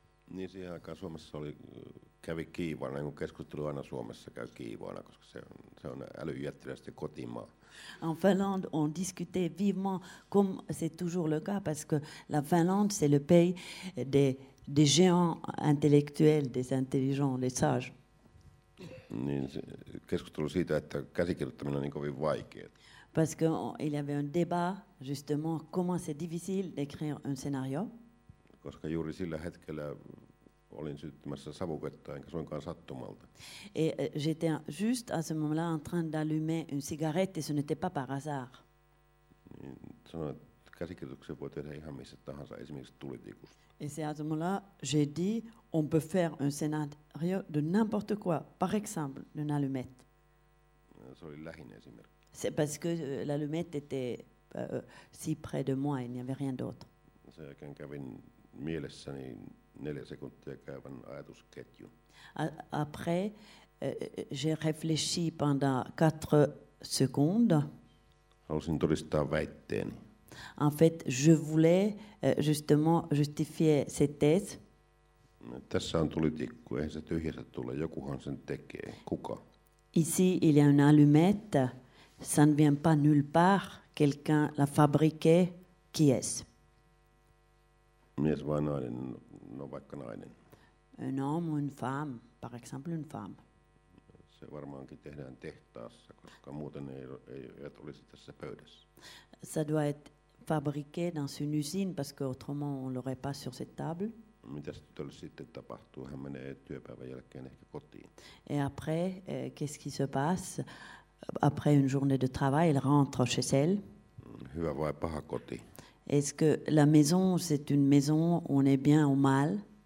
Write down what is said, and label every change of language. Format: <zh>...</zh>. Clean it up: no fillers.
<fi>Niin siihen aikaan Suomessa kävi kiivaana, kun keskustelu aina Suomessa käy kiivaana, koska se on älyjättiläisten kotimaa.</fi> <fr>En Finlande on discutait vivement, comme c'est toujours le cas, parce que la Finlande c'est le pays des géants intellectuels, des intelligents, des sages.</fr> <fi>Niin keskustelu siitä, että käsikirjoittaminen on niin kovin vaikeaa.</fi> <fr>Parce qu'il y avait un débat justement, comment c'est difficile d'écrire un scénario.</fr> <fi>Koska juuri sillä hetkellä olin syttymässä savuketta enkä suinkaan sattumalta.</fi> <fr>Et j'étais juste à ce moment-là en train d'allumer une cigarette et ce n'était pas par hasard.</fr> <fi>Niin sanoin, että käsikirjoituksen voi tehdä ihan missä tahansa, esimerkiksi tulitikusta.</fi> <fr>Et c'est à ce moment-là, j'ai dit on peut faire un scénario de n'importe quoi, par exemple une allumette.</fr> <fi>Se oli lähin esimerkki.</fi> <fr>C'est parce que l'allumette était si près de moi, il n'y avait rien d'autre.</fr> <fi>Sen jälkeen kävin mielessäni 4 sekuntia käyvän ajatusketjun.</fi> <fr>Après, j'ai réfléchi pendant 4 secondes.</fr> <fi>Halusin todistaa väitteeni.</fi> <fr>En fait, je voulais justement justifier cette thèse.</fr> <fi>Tässä on tulitikku, eihän se tyhjästä tule. Jokuhan sen tekee. Kuka?</fi> <fr>Ici, il y a une allumette. Ça ne vient pas nulle part. Quelqu'un l'a fabriqué. Qui est-ce?</fr> <fi>Mies vai nainen, no vaikka nainen.</fi> <fr>Un homme, une femme, par exemple une femme.</fr> <fi>Se varmaankin tehdään tehtaassa, koska muuten ei olisi tässä pöydässä.</fi> <fr>Ça doit être fabriqué dans une usine, parce qu'autrement on l'aurait pas sur cette table.</fr> <fi>Mitä tytölle sitten tapahtuu? Hän menee työpäivän jälkeen ehkä kotiin.</fi> <fr>Et après, qu'est-ce qui se passe? Après une journée de travail, elle rentre chez elle.</fr> <fi>Hyvä vai paha koti?</fi> <fr>Est-ce que la maison, c'est une maison où on est bien ou mal?</fr>